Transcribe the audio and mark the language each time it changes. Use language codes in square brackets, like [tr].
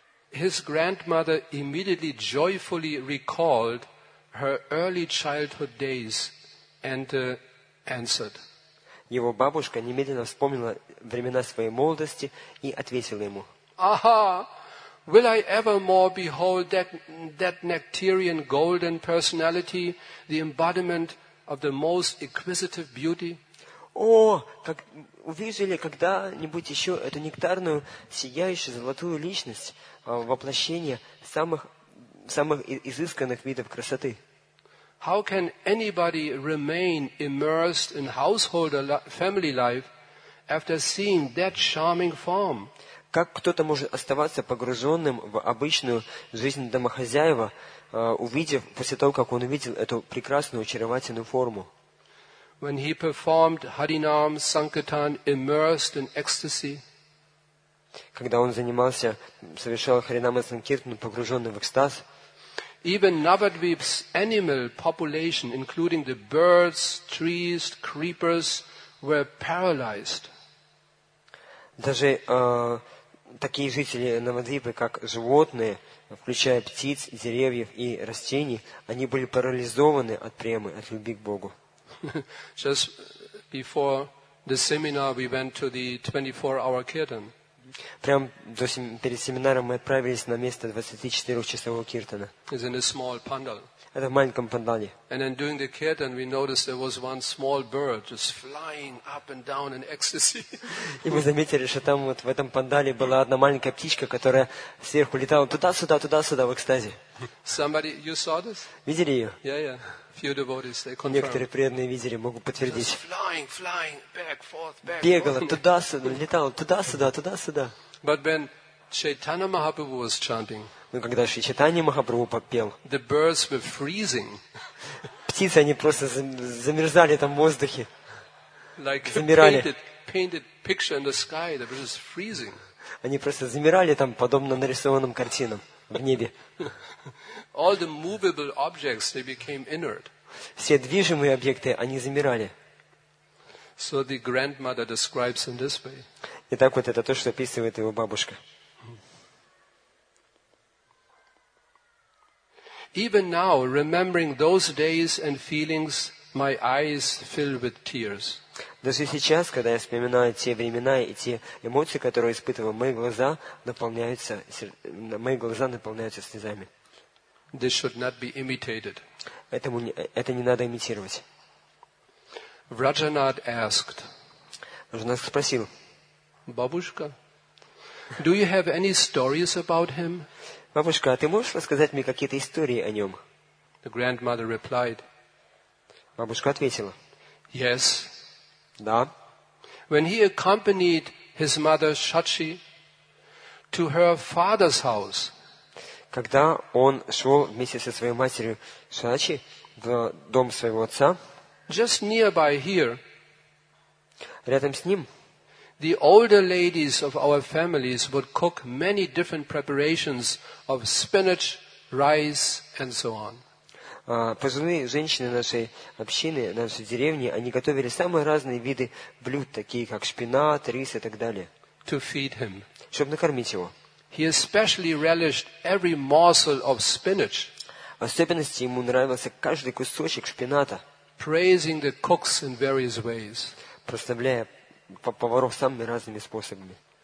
[en] His grandmother immediately joyfully recalled her early childhood days and answered. [ru] Его бабушка немедленно вспомнила времена своей молодости и ответила ему. [en] Aha! Will I ever more behold that nectarian golden personality, the embodiment of the most exquisite beauty? [ru] О, как увижу ли когда-нибудь еще эту нектарную, сияющую, золотую личность, воплощение самых изысканных видов красоты? [en] How can anybody remain immersed in household or family life after seeing that charming form? [ru] Как кто-то может оставаться погруженным в обычную жизнь домохозяева, увидев, после того, как он увидел эту прекрасную, очаровательную форму? [en] When he performed Harinam Sankirtan immersed in ecstasy. [ru] Когда он занимался, совершал Харинама Санкиртану, погруженный в экстаз. [en] Even Navadvip's animal population, including the birds, trees, creepers, were paralyzed. [ru] Даже такие жители Навадвипы, как животные, включая птиц, деревьев и растений, они были парализованы от премы, от любви к Богу. [en] Just before the seminar, we went to the 24-hour kirtan. [ru] Прямо перед семинаром мы отправились на место 24-часового киртана. [en] It's in a small pandal. [ru] Это в маленьком пандале. [en] And then during the kirtan, we noticed there was one small bird just flying up and down in ecstasy. [ru] И мы заметили, что там вот в этом пандале была одна маленькая птичка, которая сверху летала туда-сюда, туда-сюда в экстазе. [en] Somebody, you saw this? [ru] Видели ее? [en] Yeah. Few devotees, they confirm. [ru] Некоторые преданные видели, могут подтвердить. [en] Just flying, back, forth, back. [ru] Бегала туда-сюда, летала туда-сюда, туда-сюда. [en] But when Chaitanya Mahaprabhu was chanting, [ru] но когда Шри Чайтанья Махапрабху попел, [en] the birds were freezing. [ru] Птицы, они просто замерзали там в воздухе. [en] Like [ru] замирали. [en] Painted picture in the sky, they were just freezing. [ru] Они просто замирали там, подобно нарисованным картинам в небе. [en] All the movable objects, they became inert. [ru] Все движимые объекты, они замирали. [en] So the grandmother describes in this way. [ru] И так вот это то, что описывает его бабушка. [en] Even now, remembering those days and feelings, my eyes fill with tears. [ru] Даже сейчас, когда я вспоминаю те времена и те эмоции, которые испытывал, мои глаза наполняются слезами. [en] This should not be imitated. [ru] Это не надо имитировать. [en] Rajanath asked. [ru] Rajanath спросил. [en] Бабушка, do you have any stories about him? [ru] Бабушка, а ты можешь рассказать мне какие-то истории о нем? [en] The grandmother replied. [ru] Бабушка ответила. [en] Yes. [ru] Да. [en] When he accompanied his mother Shachi to her father's house. [ru] Когда он шел вместе со своей матерью Шачи в дом своего отца. [en] Just nearby here. [ru] Рядом с ним. [en] The older ladies of our families would cook many different preparations of spinach, rice, and so on. [ru] Пожилые женщины нашей общины, нашей деревни, они готовили самые разные виды блюд, такие как шпинат, рис и так далее. [en] To feed him. [ru] Чтобы накормить его. [en] He especially relished every morsel of spinach. [ru] В особенности ему нравился каждый кусочек шпината. [en] Praising the cooks in various ways. [ru] Прославляя поваров самыми разными способами.